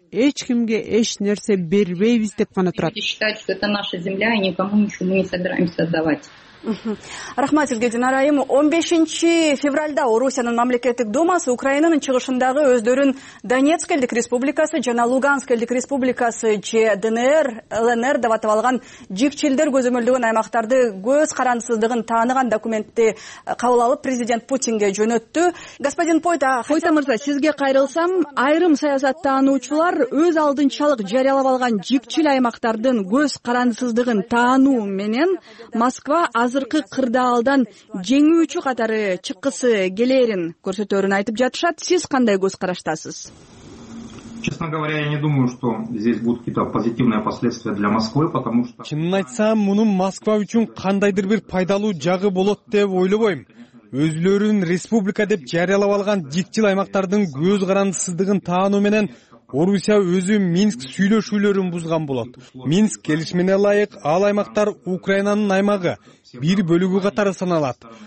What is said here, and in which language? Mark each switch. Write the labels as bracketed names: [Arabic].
[Kyrgyz] Эч кимге эч нерсе бербейбиз деп гана турат. [Russian] Считать, что это наша земля, и никому ничего мы не собираемся отдавать. [Kyrgyz] Рахмат сизге, Динара айым. 15 февральда Орусиянын мамлекеттик думасы Украинанын чыгышындагы өздөрүн Донецк элдик республикасы жана Луганск элдик республикасы же ДНР, ЛНР деп атап алган жикчилдер көзөмөлдөгөн аймактарды көз карандысыздыгын тааныган документти кабыл алып президент Путинге жөнөттү. [Russian] Господин Пойта, [Kyrgyz] Пойта мырза, сизге кайрылсам, айрым саясаттануучулар өз алдынчалык жарыялап алган жикчил аймактардын көз карандысыздыгын таануу менен Москва азыркы кырдаалдан жеңүүчү катары чыккысы келерин көрсөтөрүн айтып жатышат. Сиз кандай көз караштасыз? [Russian] Честно говоря, я не думаю, что здесь будут какие-то позитивные последствия для Москвы, потому что [Kyrgyz] чынын айтсам, мунун Москва үчүн кандайдыр бир пайдалуу жагы болот деп ойлобойм. Өзлөрүн республика деп жарыялап алган жикчил аймактардын көз карандысыздыгын таануу менен Орусия өзү Минск сүйлөшүүлөрүн бузган болот. Минск келишмине ылайык, ал аймактар Украинанын аймагы, бир бөлүгү катары саналат.